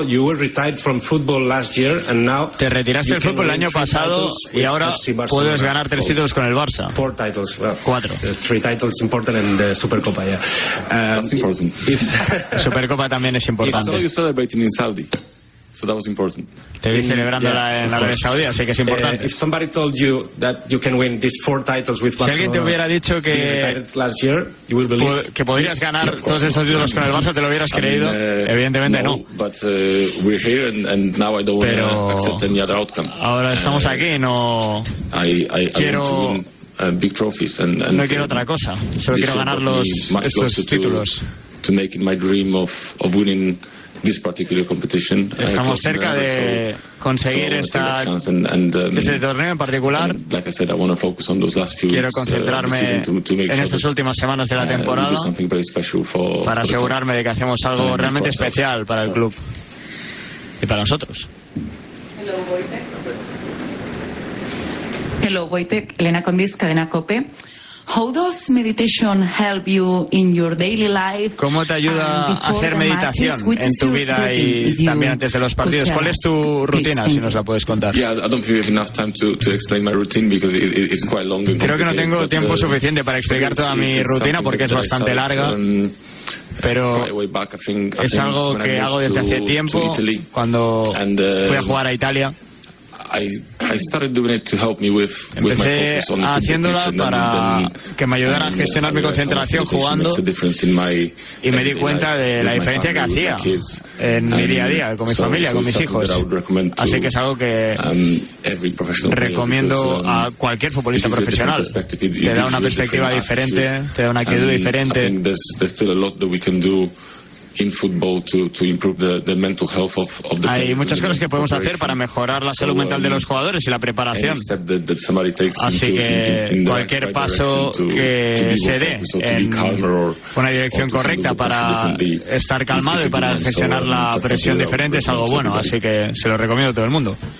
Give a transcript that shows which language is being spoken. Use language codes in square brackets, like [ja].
[en] You were retired from football last year and now. [es] Te retiraste del fútbol el año pasado y ahora puedes ganar 3 títulos con el Barça. [en] 4 titles. Well, 4. 3 titles important and the Supercopa, yeah. That's important. [es] Supercopa también es importante. [en] I saw you celebrating in Saudi. So that was important. [es] Te vi celebrándola en Arabia Saudí, así que es importante. [en] If somebody told you that you can win these 4 titles with Barcelona, [es] si alguien te hubiera dicho que [en] last year, you would believe [es] que podrías ganar todos esos títulos con el Barça, te lo hubieras creído. Evidentemente no. [en] But we're here and now I don't accept any other outcome. [es] Ahora estamos aquí, no. [en] I quiero want to win, big trophies and [es] no quiero otra cosa. Solo quiero ganar estos títulos. [en] To make it my dream of winning this particular competition. [es] Estamos cerca de conseguir este torneo en particular. [en] Like I said, I want to focus on those last few weeks. [es] Quiero concentrarme en estas últimas semanas de la temporada para asegurarme de que hacemos algo realmente especial para el club y para nosotros. [en] Hello, Wojtek. Elena Condis, Cadena COPE. How does meditation help you in your daily life? [es] ¿Cómo te ayuda a hacer meditación en tu vida y también antes de los partidos? ¿Cuál es tu rutina, si nos la puedes contar? [en] Yeah, I don't think we have enough time to explain my routine because it's quite long. [es] Creo que no tengo tiempo suficiente para explicar toda mi rutina porque es bastante larga. Pero es algo que hago desde hace tiempo cuando fui a jugar a Italia. [en] I started doing it to help me with [es] empecé [en] my focus on [es] haciéndola para que me ayudara a gestionar mi concentración jugando y me di cuenta de la diferencia que hacía en mi día a día con mi familia, con mis hijos. Así que es algo que recomiendo a cualquier futbolista profesional. Te da una perspectiva diferente, te da una actitud diferente. [en] in football to improve the mental health of the [es] players. Hay muchas cosas que podemos hacer para mejorar la salud mental de los jugadores y la preparación. Así que cualquier paso que se dé en una dirección correcta para estar calmado y para gestionar la presión diferente es algo bueno, así que se lo recomiendo a todo el mundo.